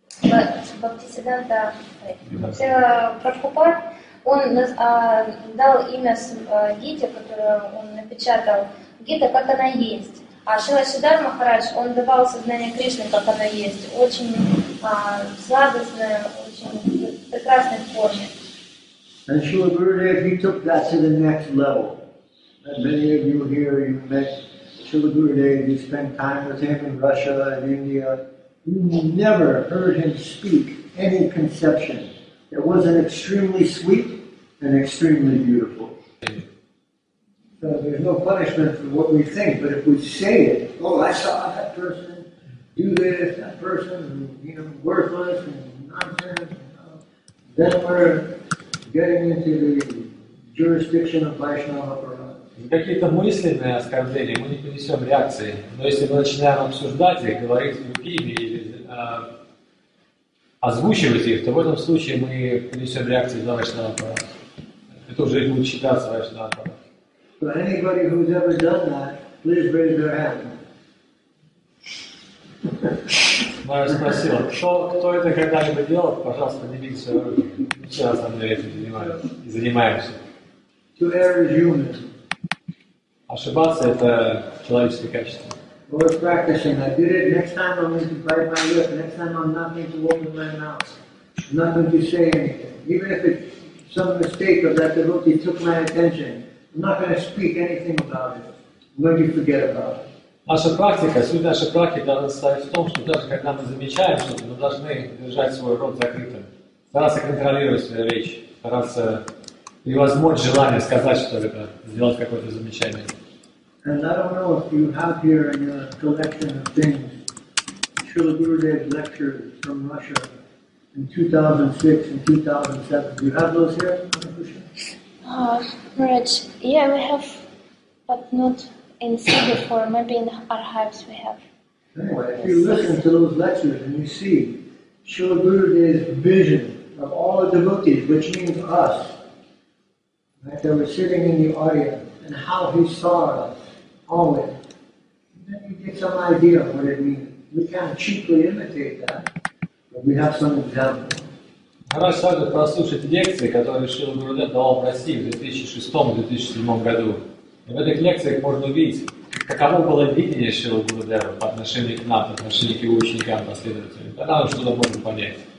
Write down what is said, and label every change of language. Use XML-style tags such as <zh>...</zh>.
<ru>Srila Prabhupada, он дал имя Гите, которую он напечатал, Гита, как она есть. А Шрила Чиддхарта Махарадж, он давал сознание Кришны, как оно есть, очень сладостное, очень прекрасной форме.</ru> <en>And Srila Gurudev, he took that to the next level. And many of you here, you met Srila Gurudev, you spent time with him in Russia and India. You never heard him speak any conception. It was an extremely sweet and extremely beautiful. So there's no punishment for what we think, but if we say it, oh, I saw that person do this, that person, you know, worthless and nonsense, you know, then we're getting into the jurisdiction of Vaishnava Parama.</en> <ru>Какие-то мысленные оскорбления, мы не понесем реакции. Но если мы начинаем обсуждать их, говорить с другими или озвучивать их, то в этом случае мы понесем реакции за Вайшнава Парама. Это уже будет считаться Вайшнава Парама.</ru> <en>So anybody who's ever done that, please raise their hand.</en> <ru>Майя спросила, кто это когда-либо делал, пожалуйста, поднимите свою руку. Сейчас мы этим занимаемся.</ru> <en>To err is human.</en> <ru>Ошибаться – это человеческое качество.</ru> <en>Well, it's practicing. I did it. Next time I'm going to bite my lip. Next time I'm not going to open my mouth. I'm not going to say anything. Even if it's some mistake of that devotee took my attention, I'm not going to speak anything about it. I'm going to forget about it.</en> <ru>Наша практика, суть нашей практики должна состоять в том, что даже когда мы замечаем что-то, мы должны держать свой рот закрытым, стараться контролировать свою речь, стараться превозмочь желание сказать что-либо, сделать какое-то замечание.</ru> <en>And I don't know if you have here in your collection of things Srila Gurudev's lectures from Russia in 2006 and 2007. Do you have those here? Maharaj, yeah, we have, but not in CD form, maybe in archives we have. Anyway, if you listen to those lectures and you see Srila Gurudev's vision of all the devotees, which means us, right, that were sitting in the audience, and how he saw us always, some idea of what it means. We can't cheaply imitate that, but we have some examples.</en> <ru>Хорошо, надо прослушать лекции, которые Шрила Гурудев давал в России в 2006-2007 году. И в этих лекциях можно увидеть, каково было видение Шрила Гурудева по отношению к нам, по отношению к его ученикам, последователям. Тогда мы что-то можем понять.</ru>